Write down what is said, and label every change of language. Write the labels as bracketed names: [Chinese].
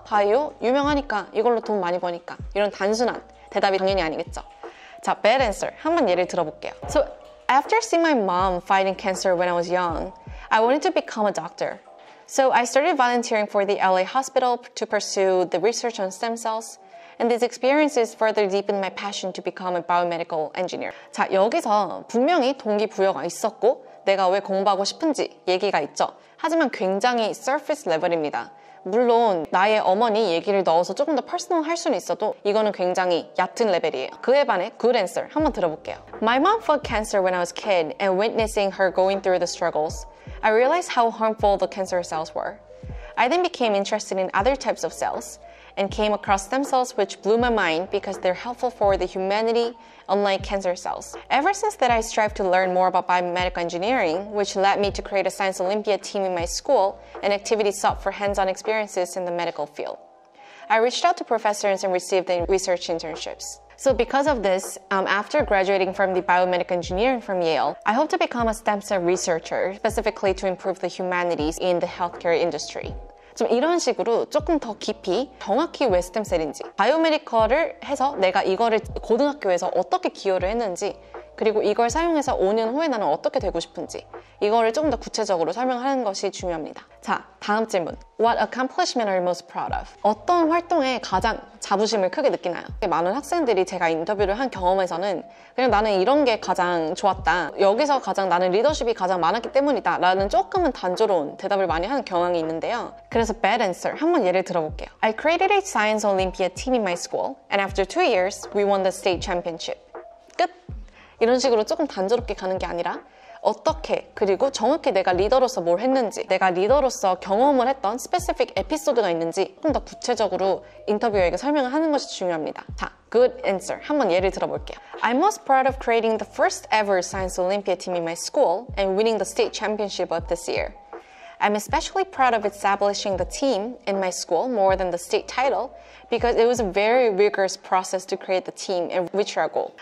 [Korean] 바이오? 유명하니까 이걸로 돈 많이 버니까 이런 단순한 대답이 당연히 아니겠죠 자, bad answer 한번 예를 들어볼게요 [English] So, after seeing my mom fighting cancer when I was young I wanted to become a doctor So I started volunteering for the LA hospital to pursue the research on stem cells and these experiences further deepened my passion to become a biomedical engineer. [Korean] 자, 여기서 분명히 동기부여가 있었고 내가 왜 공부하고 싶은지 얘기가 있죠. 하지만 굉장히 [English] surface level [Korean] 입니다. 물론 나의 어머니 얘기를 넣어서 조금 더 personal 할 수는 있어도 이거는 굉장히 얕은 레벨이에요. 그에 반해 [English] good answer [Korean] 한번 들어볼게요. [English] My mom fought cancer when I was a kid and witnessing her going through the struggles. I realized how harmful the cancer cells were. I then became interested in other types of cells and came across stem cells which blew my mind because they're helpful for the humanity unlike cancer cells. Ever since that I strive to learn more about biomedical engineering which led me to create a science Olympia team in my school and activities sought for hands-on experiences in the medical field. I reached out to professors and received the research internships. So because of this, after graduating from the biomedical engineering from Yale, I hope to become a stem cell researcher, specifically to improve the humanities in the healthcare industry. [Korean] 좀 이런 식으로 조금 더 깊이 정확히 왜 스템셀인지, 바이오메디컬을 해서 내가 이거를 고등학교에서 어떻게 기여를 했는지, 그리고 이걸 사용해서 5년 후에 나는 어떻게 되고 싶은지, 이거를 조금 더 구체적으로 설명하는 것이 중요합니다. 자, 다음 질문. [English] What accomplishment are you most proud of? [Korean] 어떤 활동에 가장 자부심을 크게 느끼나요? 많은 학생들이 제가 인터뷰를 한 경험에서는 그냥 나는 이런 게 가장 좋았다. 여기서 가장 나는 리더십이 가장 많았기 때문이다. 라는 조금은 단조로운 대답을 많이 하는 경향이 있는데요. 그래서 [English] bad answer [Korean] 한번 예를 들어볼게요. [English] I created a science Olympia team in my school and after 2 years, we won the state championship. [Korean] 끝! 이런 식으로 조금 단조롭게 가는 게 아니라 어떻게 그리고 정확히 내가 리더로서 뭘 했는지 내가 리더로서 경험을 했던 스페시픽 에피소드가 있는지 조금 더 구체적으로 인터뷰어에게 설명을 하는 것이 중요합니다 자, good answer 한번 예를 들어볼게요 [English] I'm most proud of creating the first ever science Olympia team in my school and winning the state championship of this year I'm especially proud of establishing the team in my school more than the state title because it was a very rigorous process to create the team and reach our goal.